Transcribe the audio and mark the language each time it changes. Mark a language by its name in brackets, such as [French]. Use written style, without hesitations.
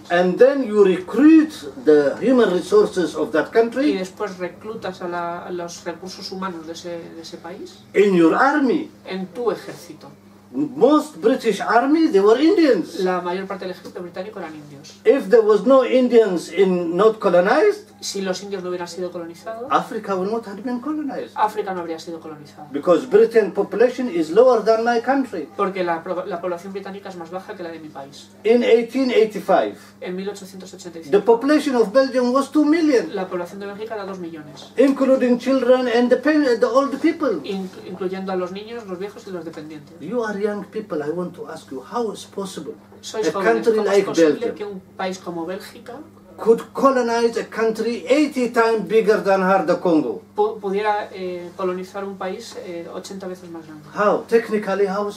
[English] And then you recruit the human resources of that country. [Spanish] Y después reclutas a los recursos humanos de ese país. [English] In your army. [Spanish] En tu ejército. [English] Most British army, they were Indians. [Spanish] La mayor parte del ejército británico eran indios. [English] If there was no Indians in not colonized, [Spanish] si los indios no hubieran sido colonizados, [English] Africa would not have been colonized. [Spanish] África no habría sido colonizada. [English] Because Britain population is lower than my country. [Spanish] Porque la población británica es más baja que la de mi país. [English] In 1885. [Spanish] En 1885. [English] The population of Belgium was 2 million. [Spanish] La población de Bélgica era 2 millones. [English] Including children and the old people. [Spanish] Incluyendo a los niños, los viejos y los dependientes. [English] You are young people, I want to ask you, how is possible a country like Belgium, [Spanish] que un país como Bélgica [English] could colonize a country 80 times bigger than her, the Congo? [Spanish] Pudiera colonizar un país 80 veces más grande. [English] How? Technically, how is